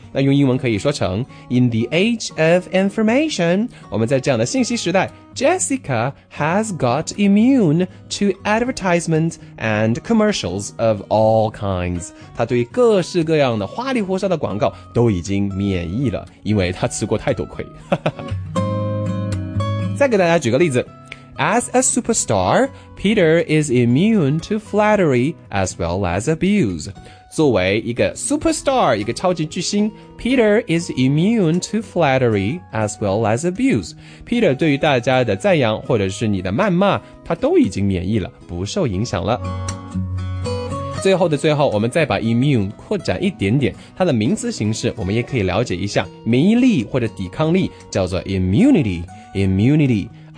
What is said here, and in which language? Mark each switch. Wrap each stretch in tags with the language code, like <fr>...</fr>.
<zh>那用英文可以说成</zh> <en>In the age of information，</en> <zh>我们在这样的信息时代，</zh> <en>Jessica has got immune to advertisements and commercials of all kinds，</en> <zh>她对各式各样的花里胡哨的广告都已经免疫了，因为她吃过太多亏。再给大家举个例子，</zh> <en>As a superstar, Peter is immune to flattery as well as abuse.</en> <zh>作为一个</zh> <en>superstar,</en> <zh>一个超级巨星，</zh> <en>Peter is immune to flattery as well as abuse.</en> <zh>Peter 对于大家的赞扬或者是你的谩骂，他都已经免疫了，不受影响了。最后的最后，我们再把 immune 扩展一点点，它的名词形式我们也可以了解一下，免疫力或者抵抗力叫做 immunity, immunity。</zh>